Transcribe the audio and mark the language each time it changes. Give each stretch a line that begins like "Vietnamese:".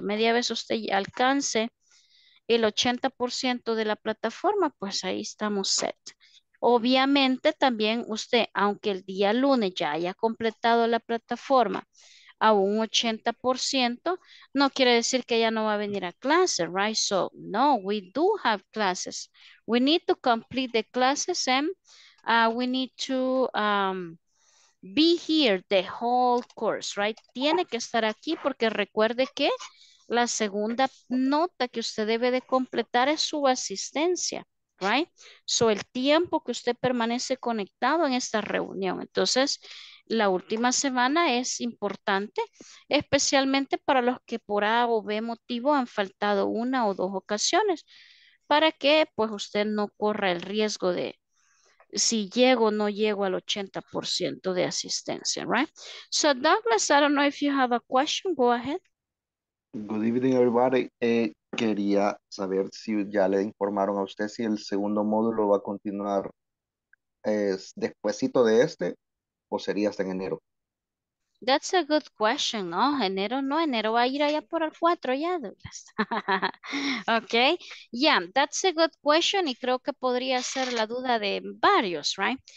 Spanish: Media vez usted alcance el 80% de la plataforma, pues ahí estamos set. Obviamente también usted, aunque el día lunes ya haya completado la plataforma a un 80%, no quiere decir que ella no va a venir a clase, right?
English: So, no, we do have classes. We need to complete the classes and we need to be here the whole course, right?
Spanish: Tiene que estar aquí porque recuerde que la segunda nota que usted debe de completar es su asistencia, right? So, el tiempo que usted permanece conectado en esta reunión. Entonces, la última semana es importante, especialmente para los que por A o B motivo han faltado una o dos ocasiones, para que pues usted no corra el riesgo de si llego o no llego al 80% de asistencia, right?
English: So Douglas, I don't know if you have a question, go ahead. Good evening, everybody.
Spanish: Quería saber si ya le informaron a usted si el segundo módulo va a continuar despuesito de este o sería hasta en enero.
English: That's a good question, ¿no?
Spanish: Enero no, enero va a ir allá por el 4 ya, Douglas. Ok,
English: that's a good question
Spanish: y creo que podría ser la duda de varios, right?